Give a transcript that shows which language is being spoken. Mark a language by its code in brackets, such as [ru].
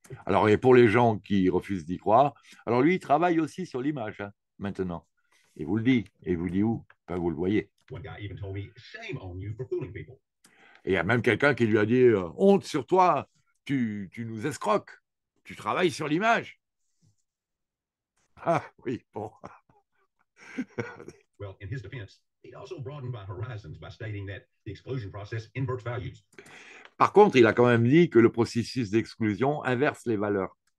[fr] Alors, et pour les gens qui refusent d'y croire, alors lui, il travaille aussi sur l'image, hein. Maintenant, il vous le dit. Il vous dit où? Ben, vous le voyez. [en] One guy even told me, shame on you for fooling people. [fr] Et il y a même quelqu'un qui lui a dit, honte sur toi, tu nous escroques, tu travailles sur l'image. Ah oui, bon. [en] Well, in his defense, he also broadened my horizons by stating that the exclusion process inverts values. [fr] Par contre, il a quand même dit que le processus d'exclusion inverse les valeurs.